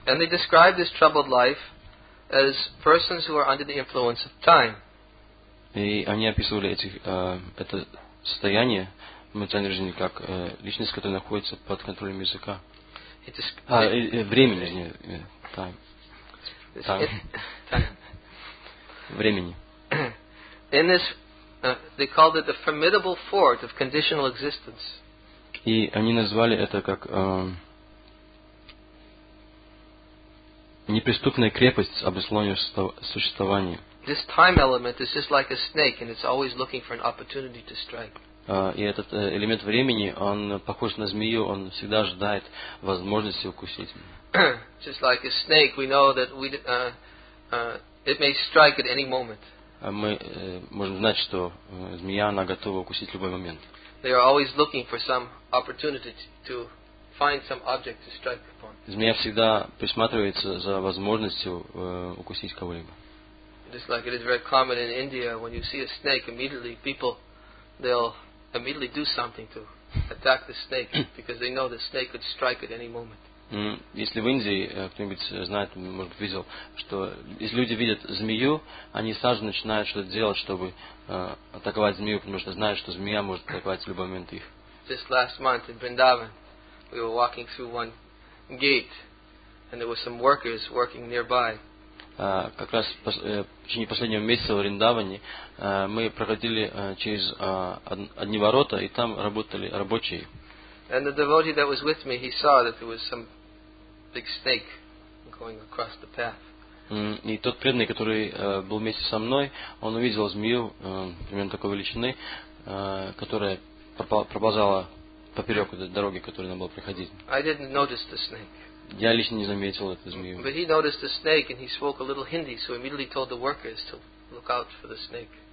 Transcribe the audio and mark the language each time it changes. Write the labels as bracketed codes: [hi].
[en] And they describe this troubled life as persons who are under the influence of time. [ru] И они описывали это состояние материальной жизни как личность, которая находится под контролем языка. Времени, извините. [en] Time. [ru] Времени. [en] In this, they called it the formidable fort of conditional existence. [ru] И они назвали это как неприступная крепость обусловленного существования. [en] This time element is just like a snake, and it's always looking for an opportunity to strike. [ru] И этот элемент времени, он похож на змею, он всегда ожидает возможности укусить. [en] Just like a snake, we know that it may strike at any moment. [ru] Мы можем знать, что змея, она готова укусить в любой момент. [en] They are always looking for some opportunity to find some object to strike upon. [ru] Змея всегда присматривается за возможностью укусить кого-либо. [en] Just like it is very common in India, when you see a snake, immediately people, they'll immediately do something to attack the snake because they know the snake could strike at any moment. [ru] Если в Индии кто-нибудь знает, может, видел, что если люди видят змею, они сразу начинают что-то делать, чтобы атаковать змею, потому что знают, что змея может атаковать в любой момент их. [en] Just last month in Vrindavan, we were walking through one gate, and there were some workers working nearby. [ru] Как раз в течение последнего месяца в Вриндаване мы проходили через одни ворота, и там работали рабочие. [en] And the devotee that was with me, he saw that there was some big snake going across the path. [ru] И тот преданный, который был вместе со мной, он увидел змею примерно такой величины, которая проползала поперек этой дороги, которой надо было приходить. [en] I didn't notice the snake. [ru] Я лично не заметил эту змею. [en] But he noticed the snake and he spoke a little Hindi, so immediately told the workers to look out for the snake.